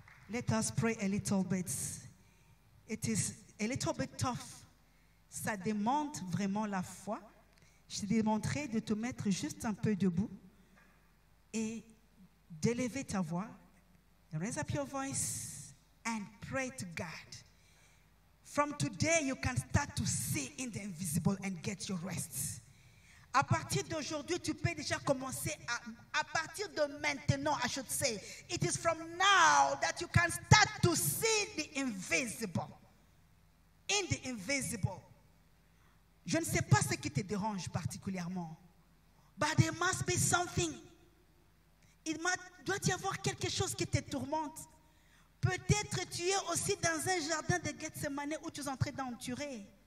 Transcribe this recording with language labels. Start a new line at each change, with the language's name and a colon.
English: Let us pray a little bit. It is a little bit tough.
French: Ça demande vraiment la foi. Je te demanderai de te mettre juste un peu debout et d'élever ta voix.
English: Raise up your voice and pray to God. From today, you can start to see in the invisible and get your rest.
French: À partir d'aujourd'hui, tu peux déjà commencer à partir de maintenant,
English: I should say. It is from now that you can start to see the invisible. In the invisible.
French: Je ne sais pas ce qui te dérange particulièrement.
English: But there must be something.
French: Doit y avoir quelque chose qui te tourmente. Peut-être tu es aussi dans un jardin de Gethsemane où tu es en train d'enturer.